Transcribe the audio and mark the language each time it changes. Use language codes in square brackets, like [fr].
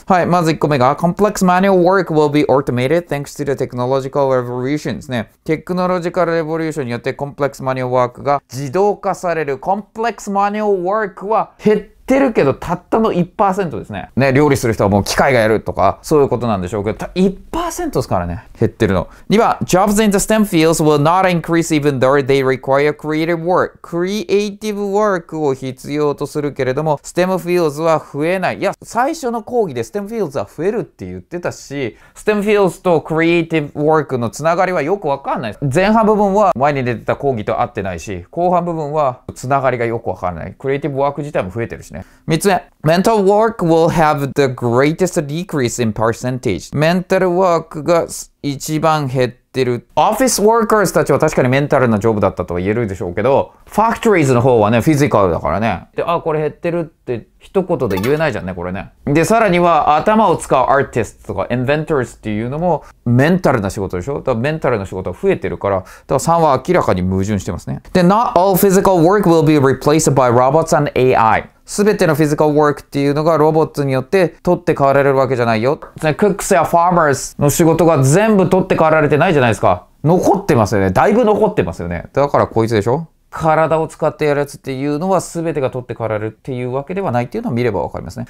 [ja] はい、まず1個目が、 [en] complex manual work will be automated thanks to the technological revolution ですね。 [ja] テクノロジカルレボリューションによって complex manual work が自動化される。 complex manual work は減っててるけど、たったの 1% ですね。ね、料理する人はもう機械がやるとか、そういうことなんでしょうけど、1% ですからね、減ってるの。 2番、 [en] Jobs in the STEM fields will not increase even though they require creative work. [ja] Creative work を必要とするけれども、STEM fields は増えない。いや、最初の講義で STEM fields は増えるって言ってたし、STEM fields と creative work のつながりはよくわかんない。前半部分は前に出てた講義と合ってないし、後半部分はつながりがよくわかんない。 creative work 自体も増えてる。 3つ目、 [en] mental work will have the greatest decrease in percentage. [ja] メンタルワークが一番減ってる。オフィスワーカーたちは確かにメンタルなジョブだったとは言えるでしょうけど、ファクトリーズの方はね、フィジカルだからね。で、あ、これ減ってるって一言で言えないじゃんね、これね。で、さらには頭を使うアーティストとか、インベンターズっていうのもメンタルな仕事でしょ。だからメンタルな仕事は増えてるから、だから3は明らかに矛盾してますね。 [en] で、not all physical work will be replaced by robots and AI. [ja] すべてのフィジカルワークっていうのがロボットによって取って代わられるわけじゃないよ。クックスやファーマーズの仕事が全部取って代わられてないじゃないですか。残ってますよね。だいぶ残ってますよね。だからこいつでしょ。体を使ってやるやつっていうのは全てが取って代わられるっていうわけではないっていうのを見ればわかりますね。